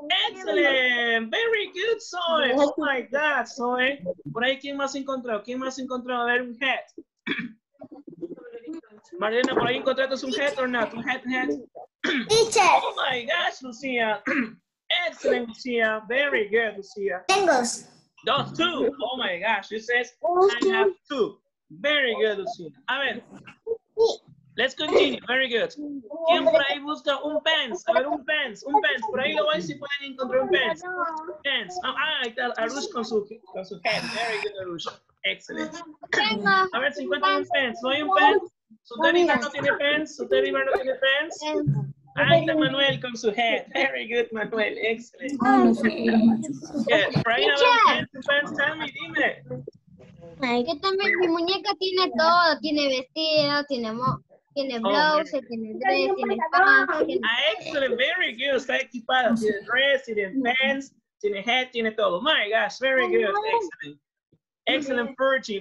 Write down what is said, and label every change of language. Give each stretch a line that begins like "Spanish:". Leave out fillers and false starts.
English: Excellent, very good, Zoe. Oh my God, Zoe.
Spanish: Por ahí, ¿quién más encontró? ¿Quién más encontró? A ver, un hat. Marlena, ¿por ahí encontraste un hat o no?
English: ¿Un hat, hat? Oh my gosh, Lucía. Excellent, Lucia. Very good, Lucia.
Spanish: Tengo dos.
English: Two. Oh my gosh. She says, okay. I have two. Very good, Lucia.
Spanish: A ver.
English: Let's continue. Very good.
Spanish: ¿Quién por ahí busca un pants? A ver, un pants. Un pants. Por ahí lo voy a ver si pueden encontrar un pants. Pants. Ah, ahí está Arush con su hat.
English: Very good,
Spanish: Arush.
English: Excellent.
Spanish: Tengo. A ver, si encuentran un pants. ¿No hay un pants? ¿Su teddy no tiene pants? ¿Su teddy no tiene pants? Ahí está
English: Manuel con su head. Very good, Manuel. Excellent. Okay. Yeah, friends, tell me,
Spanish: dime. Ay, yo también, mi muñeca tiene todo. Tiene vestido, tiene blouse, tiene dress, tiene pants.
English: Excellent, very good.
Spanish: Está equipado. Tiene dress, tiene pants, tiene head, tiene todo.
English: My gosh, very good. Excellent. Excellent, Fergie.